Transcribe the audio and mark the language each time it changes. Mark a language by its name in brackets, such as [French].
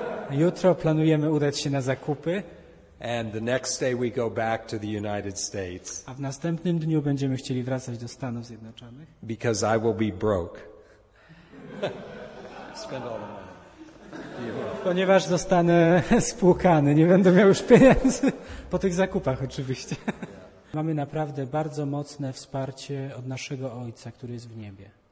[Polish] Jutro planujemy udać się na zakupy. [English] And the next day we go back to the United States. [Polish] A w następnym dniu będziemy chcieli wracać do Stanów Zjednoczonych. [English] Because I will be broke. Spend all the money. [Polish] Ponieważ zostanę spłukany, nie będę miał już pieniędzy po tych zakupach oczywiście. Mamy naprawdę bardzo mocne wsparcie od naszego Ojca, który jest w niebie.